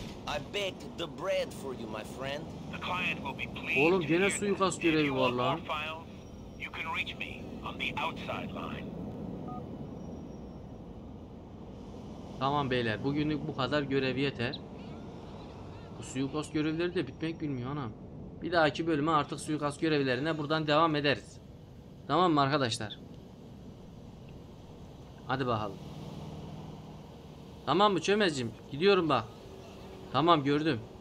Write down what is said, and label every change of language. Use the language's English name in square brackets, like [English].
[English] I baked the bread for you, my friend. The client will be pleased. [Turkish] Oğlum gene suyu kastıyor evi valla. [English] You can reach me on the outside line. [Turkish] Tamam beyler, bugünlük bu kadar, görevi yeter. Bu suikast görevleri de bitmek bilmiyor anam. Bir dahaki bölüme artık suikast görevlerine buradan devam ederiz. Tamam mı arkadaşlar? Hadi bakalım. Tamam mı Çömezciğim? Gidiyorum bak. Tamam, gördüm.